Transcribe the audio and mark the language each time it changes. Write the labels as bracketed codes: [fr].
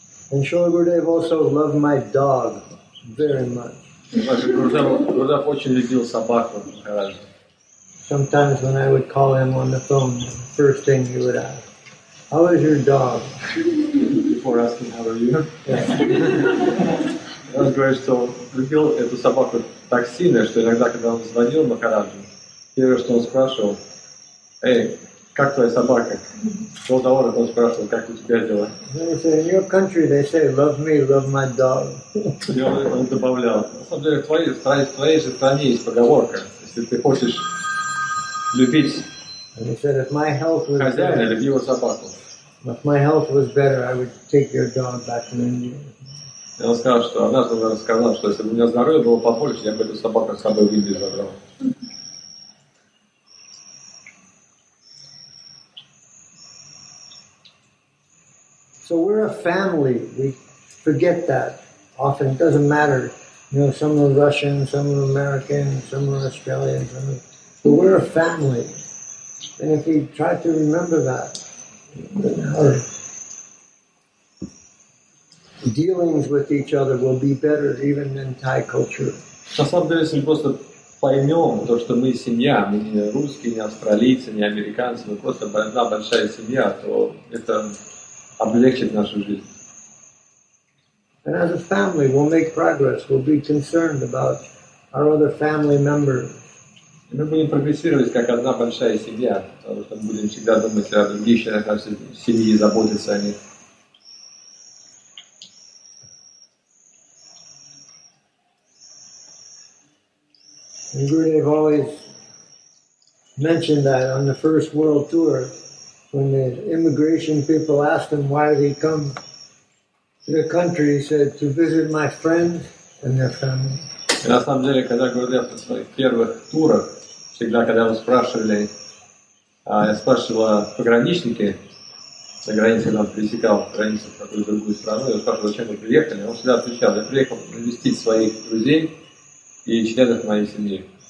[en] And Srila Gurudev also loved my dog very much. [ru] Gurudev очень любил собаку. [en] Sometimes when I would call him on the phone, the first thing he would ask, "How is your dog?" Before asking, "How are you?" Yeah. [ru] Он говорит, что любил эту собаку так сильно, что иногда, когда он звонил Махараджу, первое, что он спрашивал: «Эй, как твоя собака?» Полтора он спрашивал: «Как у тебя дела?» [en] In your country, they say, love me, love my dog. [ru] И он добавлял: «На самом деле, в твоей же стране есть поговорка, если ты хочешь любить хозяина, люби его собаку». [en] If my health was better, I would take your dog back to India. [ru] И он сказал, что однажды он сказал, что если бы у меня здоровье было побольше, я бы эту собаку с собой в Индию забрал. [en] So we're a family. We forget that often. It doesn't matter. You know, some are Russian, some are American, some are Australian. But we're a family. And if we try to remember that, our dealings with each other will be better even in Thai culture. [ru] На самом деле, если мы просто поймем то, что мы семья, мы не русские, не австралийцы, не американцы, мы просто одна большая семья, то это облегчит нашу жизнь. [en] And as a family, we'll make progress. We'll be concerned about our other family members. [ru] И мы будем прогрессировать как одна большая семья, потому что мы будем всегда думать о других членах нашей семьи и заботиться о них. [en] And Gurudev always mentioned that on the first world tour, when the immigration people asked him why did he come to the country, he said, to visit my friends and their family. [ru] И на самом деле, когда Гурдев на своих первых турах, всегда, когда его спрашивали, я спрашивал пограничники, на границе он пересекал границу в какую-то другую страну, я спрашивал, зачем вы приехали, он всегда отвечал, я приехал навестить своих друзей и членов моей семьи.